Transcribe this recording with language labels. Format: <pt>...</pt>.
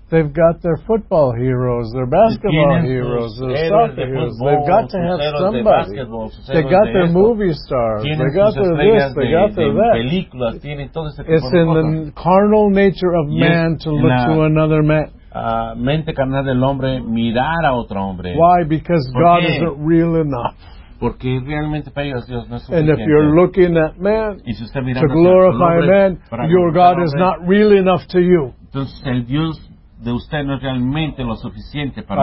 <en>They've got their football heroes, their basketball heroes, their soccer heroes. Football, they've got to have somebody. They've got their movie stars. They've got their this, they've got their that. It's in the carnal nature of man to look to another man.</en> <es>Mente carnal del hombre, mirar a otro hombre.</es> <en>Why? Because God isn't real enough.</en> <es>Porque realmente para ellos Dios no es</es> <en>and if you're looking at man</en> <es>si</es> <en>to glorify</en> <es>hombre,</es> <en>man, your God is not real enough to you.</en> <es>Entonces, el Dios de usted no es realmente lo suficiente para</es>